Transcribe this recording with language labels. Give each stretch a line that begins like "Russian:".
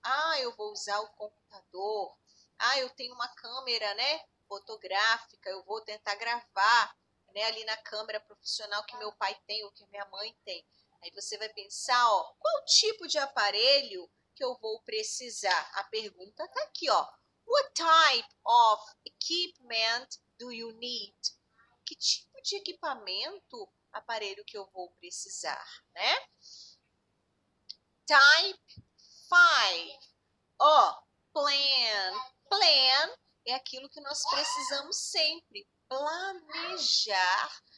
Portuguese: Ah, eu vou usar o computador. Ah, eu tenho uma câmera, né? Fotográfica, eu vou tentar gravar, né, ali na câmera profissional que meu pai tem ou que minha mãe tem. Aí você vai pensar, ó, qual tipo de aparelho que eu vou precisar? A pergunta tá aqui, ó.
English: What type of equipment do you need?
Portuguese: Que tipo de equipamento, aparelho que eu vou precisar, né?
English: Type 5. Ó, plan.
Portuguese: É aquilo que nós precisamos sempre planejar.